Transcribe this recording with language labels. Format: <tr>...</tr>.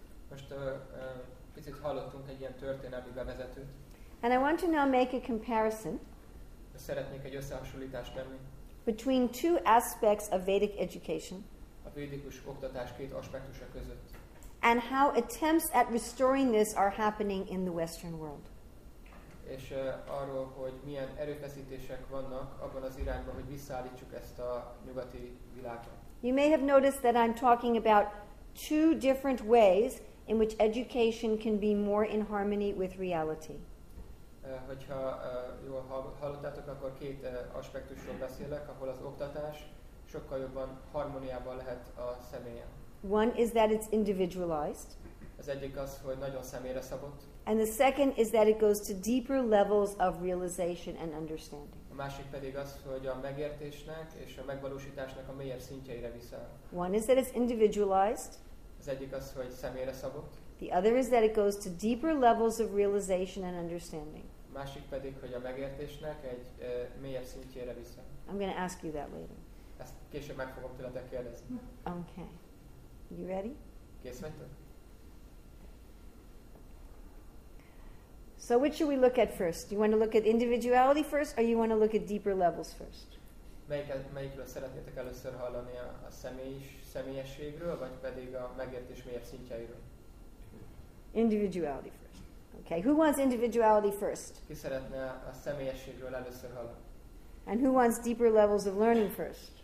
<hu>Most picit hallottunk egy ilyen történelmi bevezetőt.</hu> <en>And I want to now make a comparison.</en> <hu>Szeretnék egy összehasonlítást tenni.</hu> <en>Between two aspects of Vedic education.</en> <hu>A védikus oktatás két aspektusa között.</hu> <en>And how attempts at restoring this are happening in the Western world.</en> <hu>És arról, hogy milyen erőfeszítések vannak abban az irányban, hogy visszaállítsuk ezt a nyugati világot.</hu> <en>You may have noticed that I'm talking about two different ways in which education can be more in harmony with reality.</en> <hu>Hogyha jól hallottátok, akkor két aspektusról beszélek, ahol az oktatás sokkal jobban harmóniában lehet a személyen.</hu> <en>One is that it's individualized.</en> <hu>Az egyik az, hogy nagyon személyre szabott.</hu> <en>And the second is that it goes to deeper levels of realization and understanding.</en> <hu>A másik pedig az, hogy a megértésnek és a megvalósításnak a mélyebb szintjeire viszel.</hu> <en>One is that it's individualized.</en> <hu>Az egyik az, hogy személyre szabott.</hu> <en>The other is that it goes to deeper levels of realization and understanding.</en> <hu>A másik pedig, hogy a megértésnek egy mélyebb szintjére viszel.</hu> <en>I'm going to ask you that later.</en> <hu>Ezt később meg fogom tőletek kérdezni.</hu> <en>Okay. You ready?</en> <hu>Kész vagytok?</hu> <en>So which should we look at first? Do you want to look at individuality first, or you want to look at deeper levels first?</en> <hu>Melyikről szeretnétek először hallani, a személyességről, vagy pedig a megértés mélyebb szintjeiről?</hu> <en>Individuality first. Okay, who wants individuality first?</en> <hu>Ki szeretne a személyességről először hallani?</hu> <en>And who wants deeper levels of learning first?</en>